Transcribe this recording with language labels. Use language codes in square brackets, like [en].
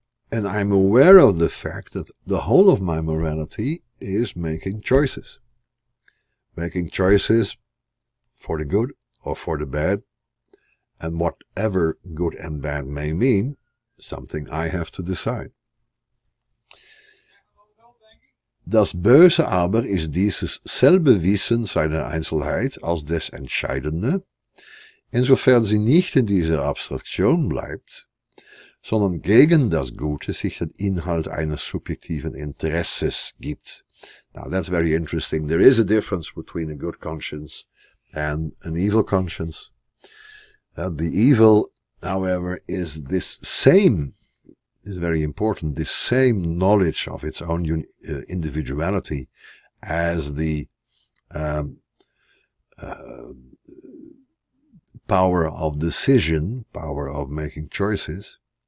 [en] And I'm aware of the fact that the whole of my morality is making choices. Making choices for the good or for the bad. And whatever good and bad may mean, something I have to decide. [de] Das Böse aber ist dieses selbe Wissen seiner Einzelheit als des Entscheidende, insofern sie nicht in dieser Abstraktion bleibt, sondern gegen das Gute sich den Inhalt eines subjektiven Interesses gibt. [en] Now, that's very interesting. There is a difference between a good conscience and an evil conscience. The evil, however, is this same, is very important, this same knowledge of its own individuality as the power of decision, power of making choices.